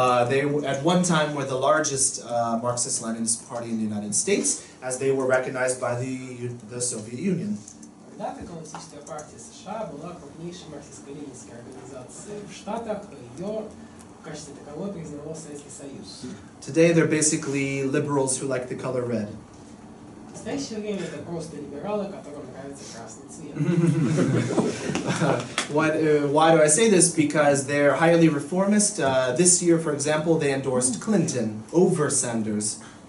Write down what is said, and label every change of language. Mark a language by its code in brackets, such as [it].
[en] They at one time were the largest Marxist-Leninist party in the United States, as they were recognized by the Soviet Union. [ru] Когда-то Коммунистическая партия США была крупнейшей марксистско-ленинской организацией в Штатах, ее в качестве таковой признавал Советский Союз. [en] Today they're basically liberals who like the color red. [ru] В настоящее время это просто либералы, которым нравится красный цвет. [en] Why do I say this? Because they're highly reformist. This year, for example, they endorsed Clinton over Sanders.